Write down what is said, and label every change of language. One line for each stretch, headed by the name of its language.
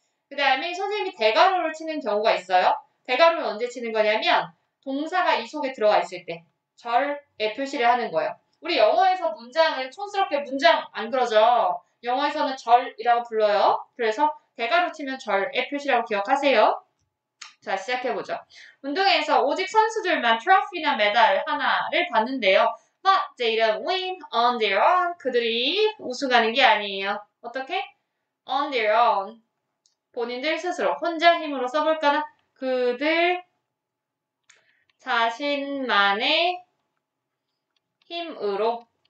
Korean: 그 다음에 선생님이 대괄호를 치는 경우가 있어요. 대괄호를 언제 치는 거냐면 동사가 이 속에 들어가 있을 때 절에 표시를 하는 거예요. 우리 영어에서 문장을 촌스럽게 문장 안 그러죠? 영어에서는 절이라고 불러요. 그래서 대괄호 치면 절의 표시라고 기억하세요. 자, 시작해보죠. 운동회에서 오직 선수들만 트로피나 메달 하나를 받는데요.
English: But they don't win on their own.
Korean: 그들이 우승하는 게 아니에요. 어떻게?
English: On their own.
Korean: 본인들 스스로 혼자 힘으로 써볼까나? 그들 자신만의 힘으로.